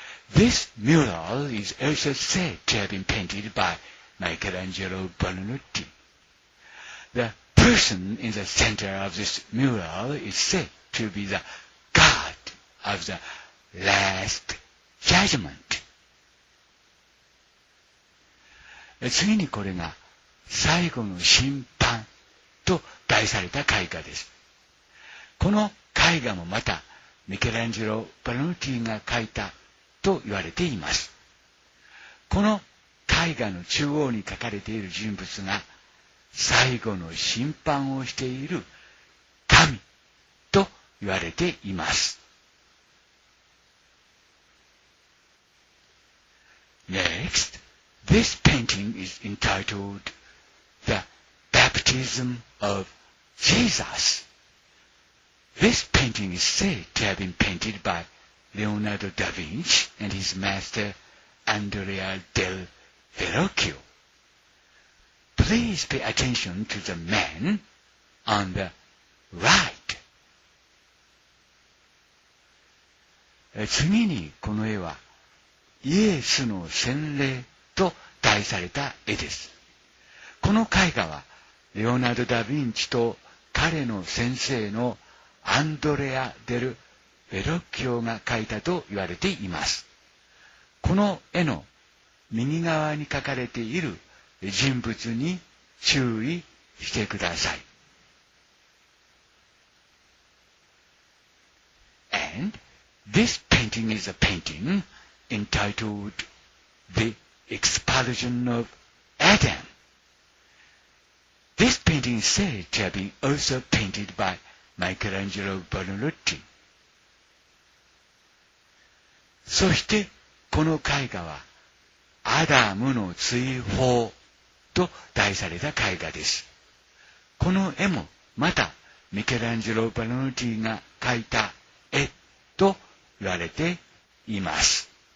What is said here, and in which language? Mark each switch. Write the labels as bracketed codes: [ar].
[en] This mural is also said to have been painted by Michelangelo Buonarroti. The person in the center of this mural is said to be the God of the Last Judgment. [ja] 次にこれが最後の審判と題された絵画です。この絵画もまたミケランジェロ・バルノッティが描いたと言われています。この絵画の中央に描かれている人物が最後の審判をしている神と言われています。 [en] Next, this painting is entitled The Baptism of Jesus. This painting is said to have been painted by Leonardo da Vinci and his master Andrea del Verrocchio. Please pay attention to the man on the right. [ja] 次にこの絵はイエスの洗礼と題された絵です。この絵画はレオナルド・ダ・ヴィンチと彼の先生のアンドレア・デル・ベロッキオが描いたと言われています。この絵の右側に描かれている人物に注意してください。 [en] And this painting is a painting entitled The Expulsion of Adam. This painting is said to have been also painted by Michelangelo Buonarroti. [ja] そしてこの絵画はアダムの追放と題された絵画です。この絵もまたミケランジェロ・バルノッティが描いた絵と言われています。